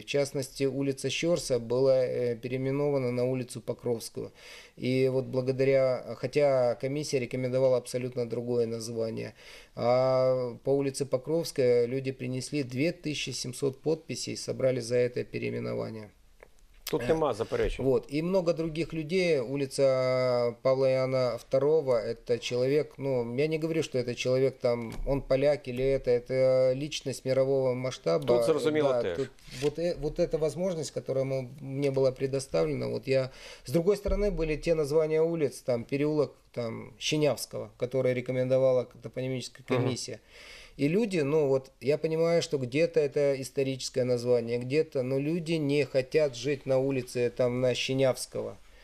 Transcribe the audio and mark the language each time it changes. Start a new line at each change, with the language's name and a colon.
Russian: В частности, улица Щерса была переименована на улицу Покровскую. И хотя комиссия рекомендовала абсолютно другое название, а по улице Покровской люди принесли 2700 подписей, собрали за это переименование.
Ukrainian: Тут нема заперечень. І багато других людей. Улиця Павла Яна II – це чоловік, я не говорю, що це чоловік, там, він поляк, або це личність мирового масштабу. Тут зрозуміло теж.
Russian: Вот эта возможность, которая мне была предоставлена, с другой стороны, были те названия улиц, там, переулок там, Щенявского, который рекомендовала топонимическая комиссия. Угу. И люди, я понимаю, что где-то это историческое название, где-то, но люди не хотят жить на улице, там, на Щенявского.